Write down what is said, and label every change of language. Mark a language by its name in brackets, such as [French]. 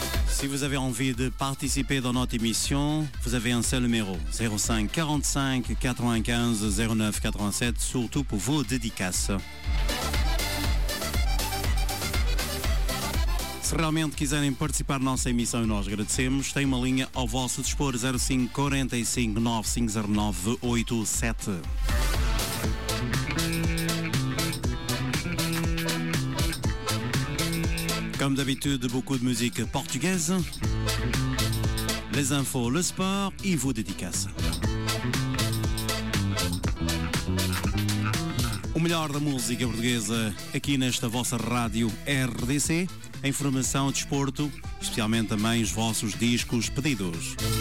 [French] Si vous avez envie de participer dans notre émission, vous avez un seul numéro, 05 45 95 09 87, surtout pour vos dédicaces. [Portuguese] Se realmente quiserem participar da nossa emissão e nós agradecemos, tem uma linha ao vosso dispor, 05 45 95 0987. [French] Comme d'habitude, beaucoup de musique portugaise, les infos, le sport et vos dédicaces. [Portuguese] O melhor da música portuguesa aqui nesta vossa rádio RDC, informação, desporto, especialmente também os vossos discos pedidos.